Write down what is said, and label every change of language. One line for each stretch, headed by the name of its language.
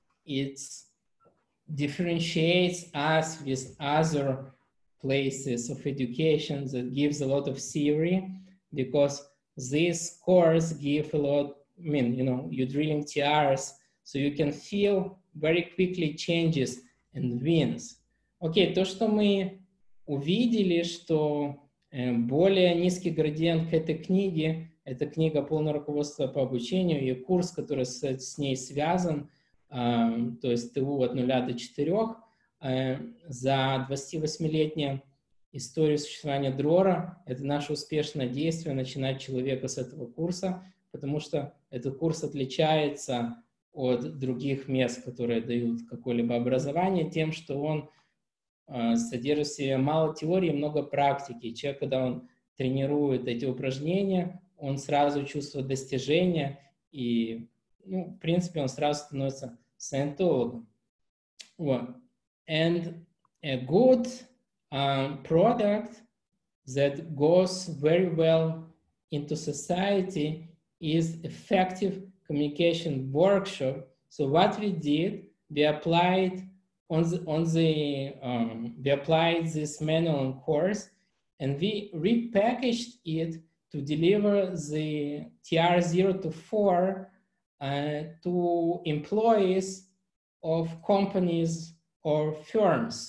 English: It differentiates us with other places of education that gives a lot of theory, because this course gives a lot. I mean, you know, you're drilling TRs, so you can feel very quickly changes and wins.
Russian: Окей, то, что мы увидели, что более низкий градиент к этой книге, это книга «Полное руководство по обучению» и курс, который с ней связан, то есть ТУ от 0 до 4, за 28-летнюю историю существования Дрора, это наше успешное действие начинать человека с этого курса, потому что этот курс отличается от других мест, которые дают какое-либо образование, тем, что он содержит в себе мало теории, много практики. Человек, когда он тренирует эти упражнения, он сразу чувствует достижения, и, ну, в принципе, он сразу становится саентологом. Вот.
English: And a good product that goes very well into society is effective communication workshop. So what we did, we applied this manual and course, and we repackaged it to deliver the TR 0-4 to employees of companies or firms.